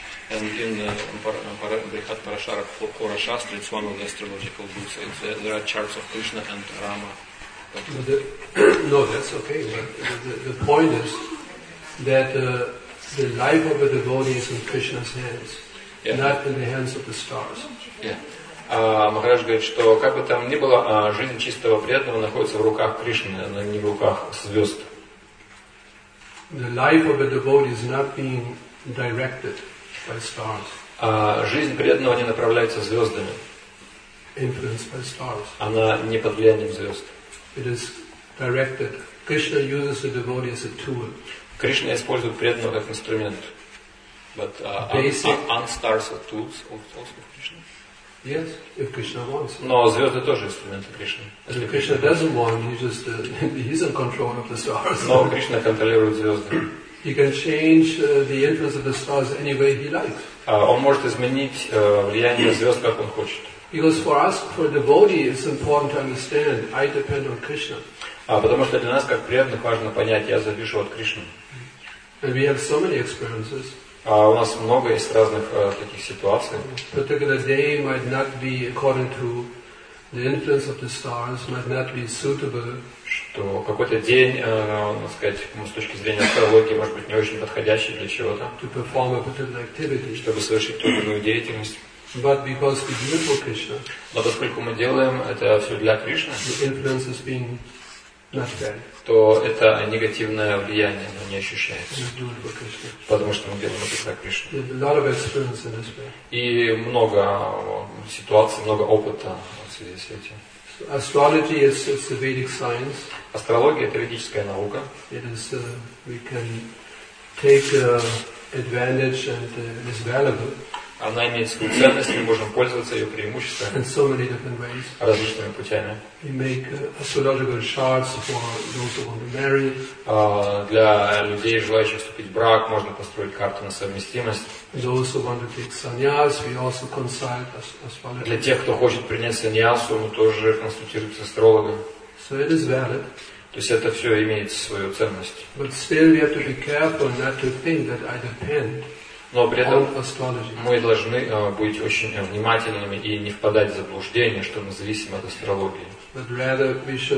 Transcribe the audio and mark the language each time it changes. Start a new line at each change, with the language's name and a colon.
English: And in Brihat Parashara Kora Shastra, it's one of the astrological books, there are charts of Krishna and Rama. The point is that the life of a devotee is in Krishna's hands. Yeah. Not in the hands of the stars.
Russian: Махарадж говорит, что как бы там ни было, жизнь чистого преданного находится в руках Кришны, а не в руках звезд.
English: The life of a devotee is not being directed by stars.
Russian: Жизнь преданного не направляется звездами.
English: Influenced by stars.
Russian: Она не под влиянием звезд.
English: It is directed. Krishna uses the devotee as a tool.
Russian: Кришна использует преданного как инструмент.
English: But aren't stars are tools also of Krishna? Yes, if Krishna wants.
Russian: Но звезды тоже инструменты Кришны.
English: If Krishna doesn't want, he's in control of the stars.
Russian: Но Кришна контролирует звезды.
English: He can change the influence of the stars any way he likes.
Russian: Он может изменить влияние звезд, как он хочет.
English: Because for us, for the devotee, it's important to understand, I depend on Krishna.
Russian: Потому что для нас, как преданных, важно понять, я завишу от Кришны.
English: And we have so many experiences.
Russian: У нас много есть разных таких ситуаций.
English: Particular day might not be according to the influence of the stars might not be suitable.
Russian: Что какой-то день, так сказать, с точки зрения астрологии, может быть, не очень подходящий для чего-то.
English: To perform a particular activity.
Russian: Чтобы совершить ту или иную деятельность.
English: But because we do it for Krishna.
Russian: Но поскольку мы делаем это все для Кришны.
English: The influence has been not bad.
Russian: То это негативное влияние, но не ощущается. Потому что мы делаем это для Кришны. И много ситуаций, много опыта в связи с этим.
English: Astrology is it's a Vedic science.
Russian: Астрология — это ведическая наука.
English: It is we can take advantage and it's valuable.
Russian: Она имеет свою ценность, мы можем пользоваться ее преимуществами.
English: In so many different ways.
Russian: Различными путями.
English: We make astrological charts for those who want to marry.
Russian: Для людей, желающих вступить в брак, можно построить карту на совместимость.
English: Those who want to take sannyas, we also consult astrologers.
Russian: Для тех, кто хочет принять саньясу, мы тоже консультируемся с астрологом.
English: So it is valid.
Russian: То есть это все имеет свою ценность.
English: But still we have to be careful not to think that I depend.
Russian: Но при этом мы должны быть очень внимательными и не впадать в заблуждение, что мы зависим от астрологии.